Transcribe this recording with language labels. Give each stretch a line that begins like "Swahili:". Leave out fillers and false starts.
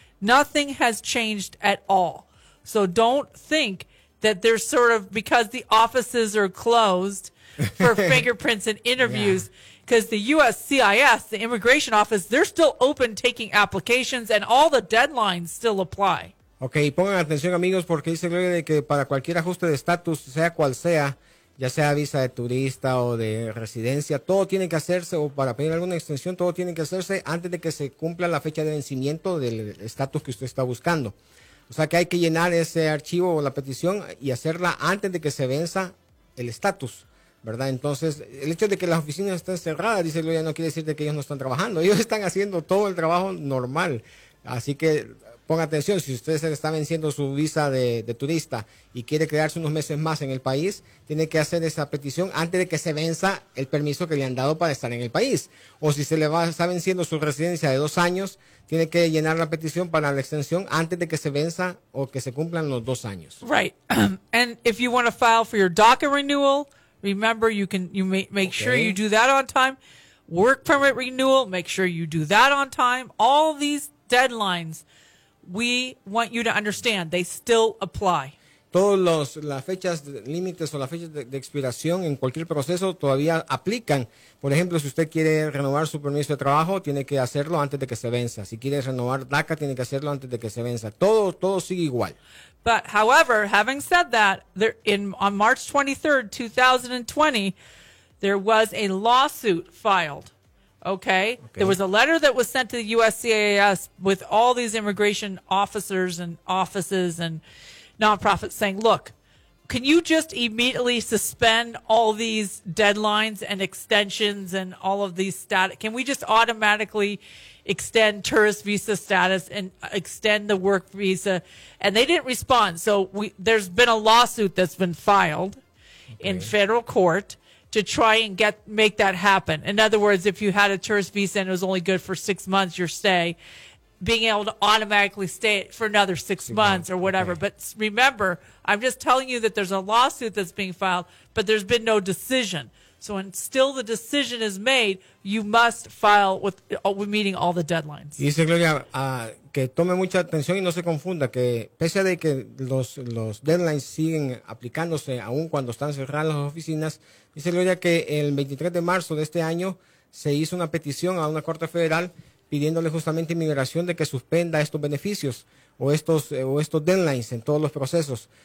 English: Nothing has changed at all. So don't think that there's sort of because the offices are closed for fingerprints and interviews, because the USCIS, the immigration office, they're still open taking applications and all the deadlines still apply.
Spanish: Okay, pongan atención, amigos, porque dice Gloria de que para cualquier ajuste de estatus, sea cual sea, ya sea visa de turista o de residencia, todo tiene que hacerse, o para pedir alguna extensión, todo tiene que hacerse antes de que se cumpla la fecha de vencimiento del estatus que usted está buscando. O sea que hay que llenar ese archivo o la petición y hacerla antes de que se venza el estatus, ¿verdad? Entonces, el hecho de que las oficinas estén cerradas, dice Gloria, no quiere decir de que ellos no están trabajando. Ellos están haciendo todo el trabajo normal. Así que ponga atención, si usted se está venciendo su visa de turista y quiere quedarse unos meses más en el país, tiene que hacer esa petición antes de que se venza el permiso que le han dado para estar en el país. O si se le va, está venciendo su residencia de 2 años, tiene que llenar la petición para la extensión antes de que se venza o que se cumplan los 2 años.
English: Right. And if you want to file for your DACA renewal, remember you make sure you do that on time. Work permit renewal, make sure you do that on time. All these deadlines, we want you to understand, they still apply.
Spanish: Todos los las fechas límites o las fechas de expiración en cualquier proceso todavía aplican. Por ejemplo, si usted quiere renovar su permiso de trabajo, tiene que hacerlo antes de que se venza. Si quiere renovar DACA, tiene que hacerlo antes de que se venza. Todo sigue igual.
English: But however, having said that, there on March 23rd, 2020, there was a lawsuit filed. Okay. There was a letter that was sent to the USCIS with all these immigration officers and offices and nonprofits saying, look, can you just immediately suspend all these deadlines and extensions and all of these status? Can we just automatically extend tourist visa status and extend the work visa? And they didn't respond. So there's been a lawsuit that's been filed in federal court to try and make that happen. In other words, if you had a tourist visa and it was only good for 6 months, your stay, being able to automatically stay for another six months or whatever. Okay. But remember, I'm just telling you that there's a lawsuit that's being filed, but there's been no decision. So until the decision is made, you must file with meeting all the deadlines.
Spanish: Dice Gloria, que tome mucha atención y no se confunda, que pese a de que los deadlines siguen aplicándose aún cuando están cerradas las oficinas, dice Gloria que el 23 de marzo de este año se hizo una petición a una corte federal pidiéndole justamente inmigración de que suspenda estos beneficios o estos deadlines en todos los procesos.